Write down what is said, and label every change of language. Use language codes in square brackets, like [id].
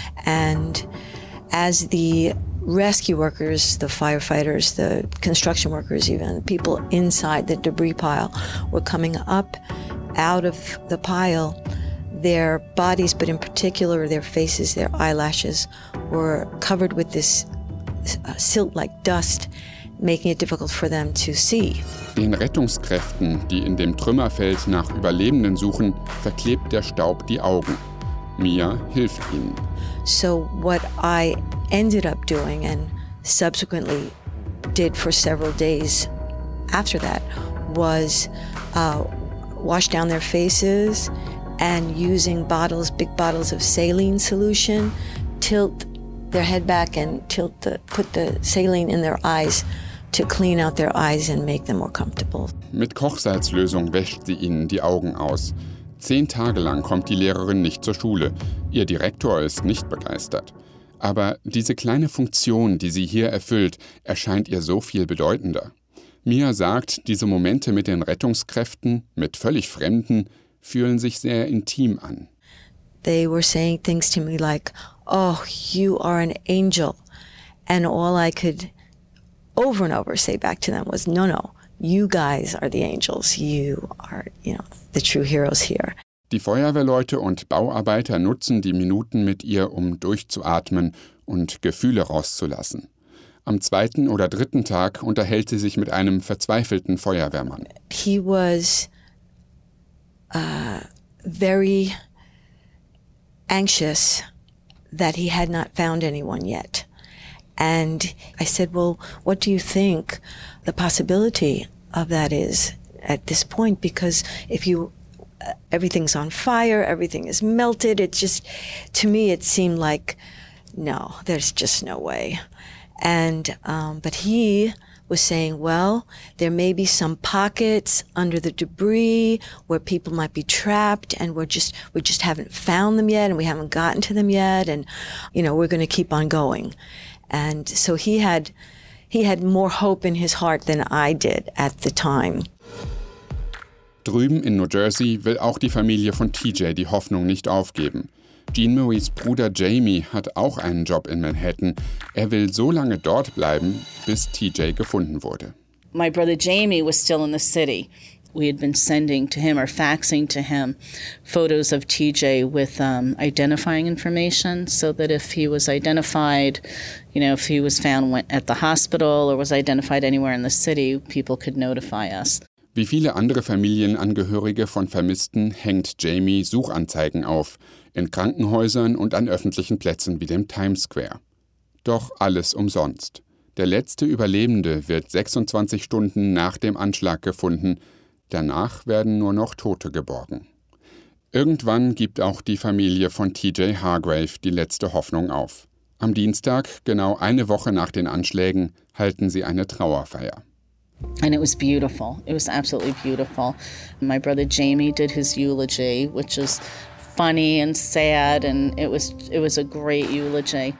[en] And as the rescue workers, the firefighters, the construction workers even, people inside the debris pile were coming up out of the pile, their bodies, but in particular their faces, their eyelashes, were covered with this silt-like dust, making it difficult for them to see. [de] Den Rettungskräften, die in dem Trümmerfeld nach Überlebenden suchen, verklebt der Staub die Augen. Mia hilft ihnen. [en] So what I ended up doing and subsequently did for several days after that was wash down their faces and using bottles, big bottles of saline solution, tilt their head back and tilt the, put the saline in their eyes to clean out their eyes and make them more comfortable. [de] Mit Kochsalzlösung wäscht sie ihnen die Augen aus. 10 Tage lang kommt die Lehrerin nicht zur Schule. Ihr Direktor ist nicht begeistert. Aber diese kleine Funktion, die sie hier erfüllt, erscheint ihr so viel bedeutender. Mia sagt, diese Momente mit den Rettungskräften, mit völlig Fremden, fühlen sich sehr intim an. [en] They were saying things to me like, oh, you are an angel. And all I could over and over say back to them was, no, no, you guys are the angels. You are, you know, the true heroes here. [de] Die Feuerwehrleute und Bauarbeiter nutzen die Minuten mit ihr, um durchzuatmen und Gefühle rauszulassen. Am zweiten oder dritten Tag unterhält sie sich mit einem verzweifelten Feuerwehrmann. [en] He was very anxious that he had not found anyone yet. And I said, well, what do you think the possibility of that is at this point? Because if you, everything's on fire, everything is melted, it's just, to me, it seemed like, no, there's just no way. And, but he was saying, well, there may be some pockets under the debris where people might be trapped and we just haven't found them yet and we haven't gotten to them yet and, you know, we're going to keep on going. And so he had more hope in his heart than I did at the time. [de] Drüben in New Jersey will auch die Familie von TJ die Hoffnung nicht aufgeben. Jean Maries Bruder Jamie hat auch einen Job in Manhattan. Er will so lange dort bleiben, bis TJ gefunden wurde. [en] My brother Jamie was still in the city. We had been sending to him or faxing to him photos of TJ with identifying information so that if he was identified, you know, if he was found at the hospital or was identified anywhere in the city, people could notify us. [de] Wie viele andere Familienangehörige von Vermissten hängt Jamie Suchanzeigen auf, in Krankenhäusern und an öffentlichen Plätzen wie dem Times Square. Doch alles umsonst. Der letzte Überlebende wird 26 Stunden nach dem Anschlag gefunden. Danach werden nur noch Tote geborgen. Irgendwann gibt auch die Familie von TJ Hargrave die letzte Hoffnung auf. Am Dienstag, genau eine Woche nach den Anschlägen, halten sie eine Trauerfeier. [en] And it was beautiful. It was absolutely beautiful. My brother Jamie did his eulogy, which is funny and sad, and it was a great eulogy.